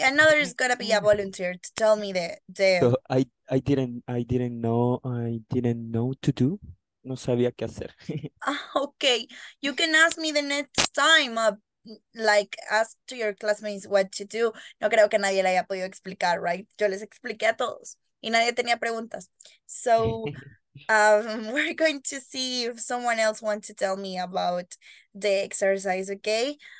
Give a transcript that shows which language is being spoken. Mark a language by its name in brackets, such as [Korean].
[English] Another is gonna be a volunteer to tell me the. So I didn't know to do. [Spanish] No sabía qué hacer. [English] Okay. You can ask me the next time. Like ask to your classmates what to do. [Spanish] No creo que nadie le haya podido explicar, right? Yo les expliqué a todos y nadie tenía preguntas. [English] So we're going to see if someone else wants to tell me about the exercise, okay?